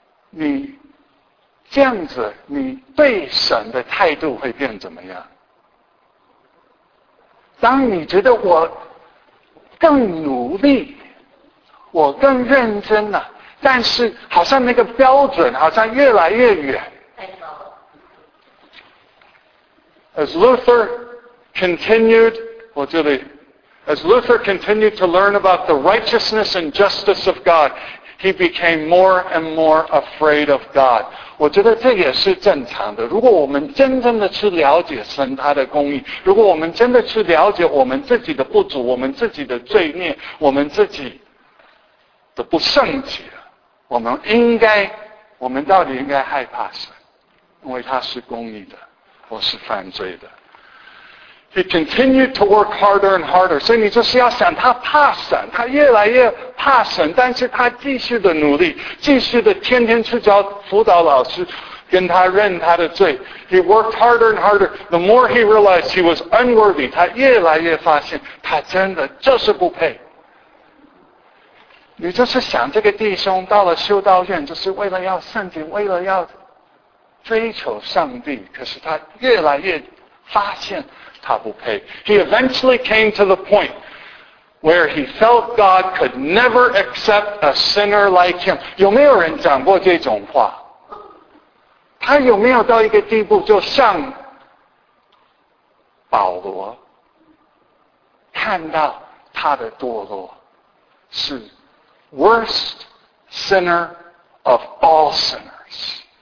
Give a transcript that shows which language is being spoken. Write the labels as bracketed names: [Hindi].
[Chinese] 你这样子，你对神的态度会变怎么样？当你觉得我更努力，我更认真了，但是好像那个标准好像越来越远， [English] As Luther continued, well, Julie, as Luther continued to learn about the righteousness and justice of God, he became more and more afraid of God. [Chinese] 我觉得这也是正常的。如果我们真正的去了解神他的公义，如果我们真的去了解我们自己的不足，我们自己的罪孽，我们自己的不圣洁，我们应该，我们到底应该害怕神，因为他是公义的，我是犯罪的。 [English] He continued to work harder and harder. [Chinese] 所以你就是要想他怕神，他越来越怕神，但是他继续的努力，继续的天天去找辅导老师，跟他认他的罪。 [English] He worked harder and harder. The more he realized he was unworthy, [Chinese] 他越来越发现他真的就是不配。你就是想这个弟兄到了修道院，就是为了要圣洁，为了要追求上帝，可是他越来越发现他不配。 [English] He eventually came to the point where he felt God could never accept a sinner like him. [Chinese] 有没有人讲过这种话？他有没有到一个地步，就像保罗看到他的堕落，是 [English] worst sinner of all sinners.